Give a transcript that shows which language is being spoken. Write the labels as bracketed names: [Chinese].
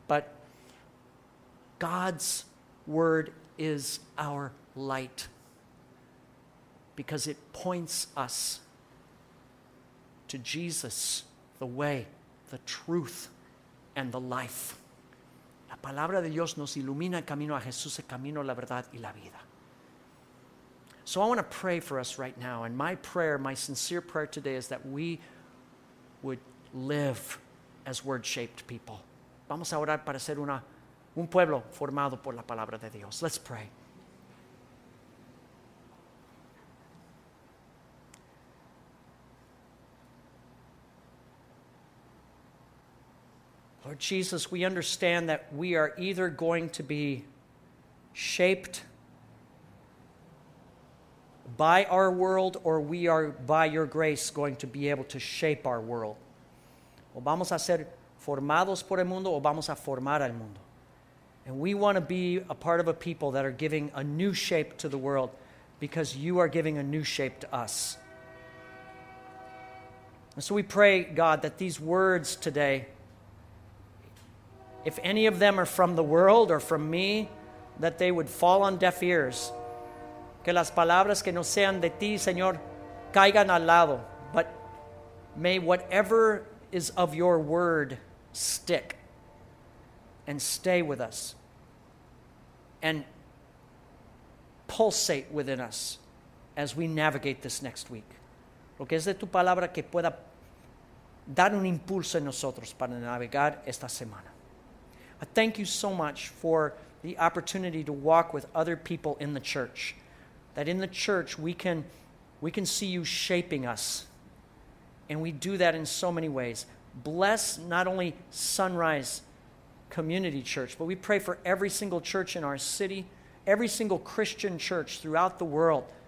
[English] But God's Word is our light because it points us to Jesus, the way, the truth, and the life. [Spanish] La palabra de Dios nos ilumina el camino a Jesús, el camino, la verdad, y la vida. [English] So I want to pray for us right now. And my prayer, my sincere prayer today is that we would live as word-shaped people. [Spanish] Vamos a orar para ser un pueblo formado por la palabra de Dios. [English] Let's pray. Lord Jesus, we understand that we are either going to be shaped by our world, or we are, by your grace, going to be able to shape our world. [Spanish] O vamos a ser formados por el mundo, o vamos a formar al mundo. [English] And we want to be a part of a people that are giving a new shape to the world, because you are giving a new shape to us. And so we pray, God, that these words today if any of them are from the world or from me, that they would fall on deaf ears. [Spanish] Que las palabras que no sean de ti, Señor, caigan al lado. [English] But may whatever is of your word stick and stay with us and pulsate within us as we navigate this next week. [Spanish] Lo que es de tu palabra que pueda dar un impulso en nosotros para navegar esta semana. [English] I thank you so much for the opportunity to walk with other people in the church. That in the church we can see you shaping us. And we do that in so many ways. Bless not only Sunrise Community Church, but we pray for every single church in our city, every single Christian church throughout the world.